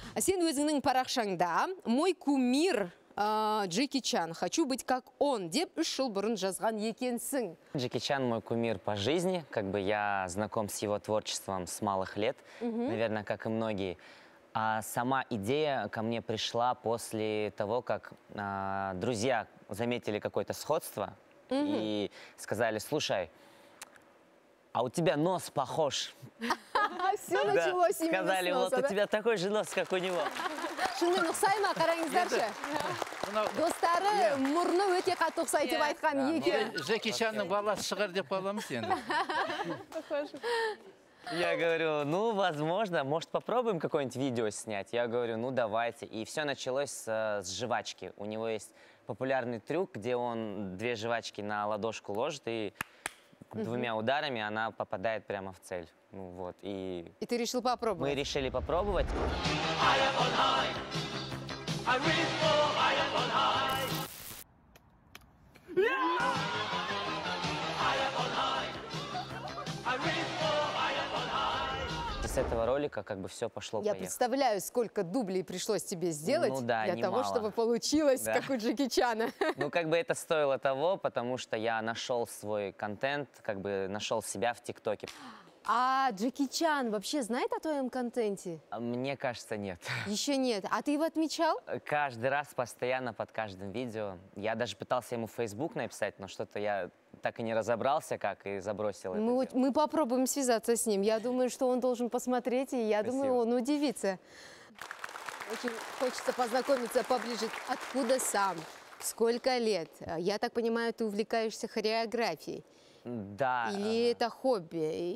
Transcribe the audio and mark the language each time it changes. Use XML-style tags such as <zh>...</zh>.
<kk>А сен өзіңнің парақшаңда</kk> <ru>мой кумир Джеки Чан, хочу быть как он,</ru> <kk>деп үш жыл бұрын жазған екенсің.</kk> <ru>Джеки Чан мой кумир по жизни, как бы я знаком с его творчеством с малых лет, наверное, как и многие. А сама идея ко мне пришла после того, как друзья заметили какое-то сходство и сказали, слушай, а у тебя нос похож. Все началось именно с носа. Сказали, вот у тебя такой же нос, как у него.</ru> <kk>Шынмен ұқсай ма, қараңыздаршы. Достары мұрны өте қатты ұқсай деп айтқан екен. Джеки Чанның баласы шығар деп қаламыз енді.</kk> <ru>Я говорю, ну, возможно, может, попробуем какое-нибудь видео снять? Я говорю, ну, давайте. И все началось с жвачки. У него есть популярный трюк, где он две жвачки на ладошку ложит и... Двумя ударами она попадает прямо в цель. Ну, вот, и ты решил попробовать? Мы решили попробовать. С этого ролика как бы все пошло. Я представляю, сколько дублей пришлось тебе сделать, ну, да, для немало. Того, чтобы получилось, да. Как у Джеки Чана. Ну, как бы это стоило того, потому что я нашел свой контент, как бы нашел себя в ТикТоке. А Джеки Чан вообще знает о твоем контенте? Мне кажется, нет. Еще нет. А ты его отмечал? Каждый раз, постоянно, под каждым видео. Я даже пытался ему в Facebook написать, но что-то я так и не разобрался, как, и забросил это. Мы попробуем связаться с ним. Я думаю, что он должен посмотреть, и я думаю, он удивится. Очень хочется познакомиться поближе. Откуда сам? Сколько лет? Я так понимаю, ты увлекаешься хореографией. Да. Или это хобби?</ru>